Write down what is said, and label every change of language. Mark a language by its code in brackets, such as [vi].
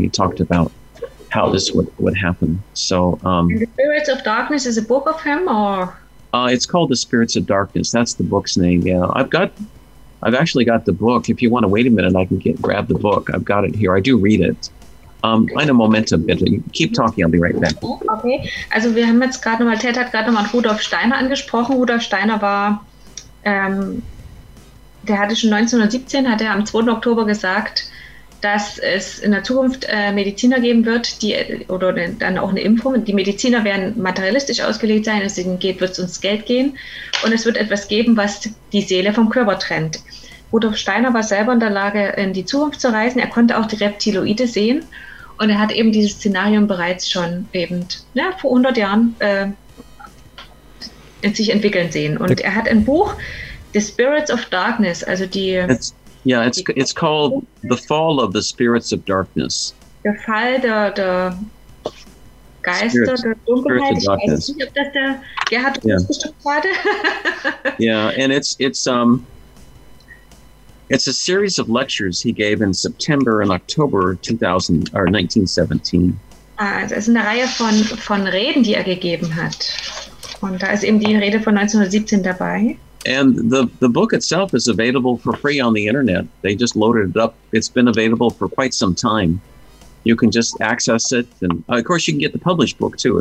[en] He talked about how this would happen. So, The Spirits of Darkness is a book of him, or? It's called The Spirits of Darkness. That's the book's name. Yeah, I've actually got the book. If you want to wait a minute, I can grab the book. I've got it here. I do read it. [de] Eine Momente bitte. [en] Keep talking, I'll be right back. [de] Okay, also wir haben jetzt gerade nochmal, Ted hat gerade nochmal Rudolf Steiner angesprochen. Rudolf Steiner war, der hatte schon 1917, hat er am 2. Oktober gesagt, dass es in der Zukunft Mediziner geben wird, dann auch eine Impfung. Die Mediziner werden materialistisch ausgelegt sein, deswegen wird es ums Geld gehen. Und es wird etwas geben, was die Seele vom Körper trennt. Rudolf Steiner war selber in der Lage, in die Zukunft zu reisen. Er konnte auch die Reptiloide sehen. Und er hat eben dieses Szenario bereits schon eben vor 100 Jahren in sich entwickeln sehen. Und er hat ein Buch, The Spirits of Darkness, also die... [en] It's called The Fall of the Spirits of Darkness. [de] Der Fall der Geister, Spirits, der Dunkelheit. Ich weiß nicht, ob das der Gerhard ausgestopft hatte. [en] And it's a series of lectures he gave in September and October 1917. [de] Ah, es ist eine Reihe von Reden, die er gegeben hat. Und da ist eben die Rede von 1917 dabei. [en] And the book itself is available for free on the internet. They just loaded it up. It's been available for quite some time. You can just access it. And of course, you can get the published book too.